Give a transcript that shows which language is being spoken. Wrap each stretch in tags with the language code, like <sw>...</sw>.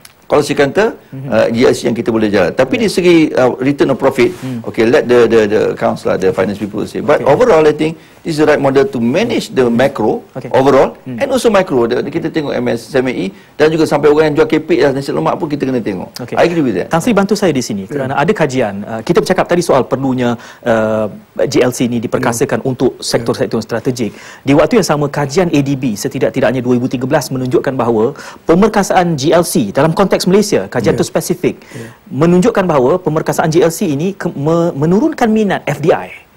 <ms>Kalau saya kata GLC yang kita boleh jalan. Tapi di segi</ms> <en>return of profit, okay, let the accounts lah, the finance people say. But overall, I think this is the right model to manage the macro overall and also micro.</en> <ms>Kita tengok MSME dan juga sampai orang yang jual kepik dan nasi lemak pun kita kena tengok.</ms> <en>I agree with that.</en> <ms>Tan Sri, bantu saya di sini kerana ada kajian. Kita bercakap tadi soal perlunya GLC ini diperkasakan untuk sektor-sektor strategik. Di waktu yang sama, kajian ADB setidak-tidaknya 2013 menunjukkan bahawa pemerkasaan GLC dalam konteks Malaysia, kajian itu spesifik, menunjukkan bahawa pemerkasaan GLC ini menurunkan minat FDI.</ms>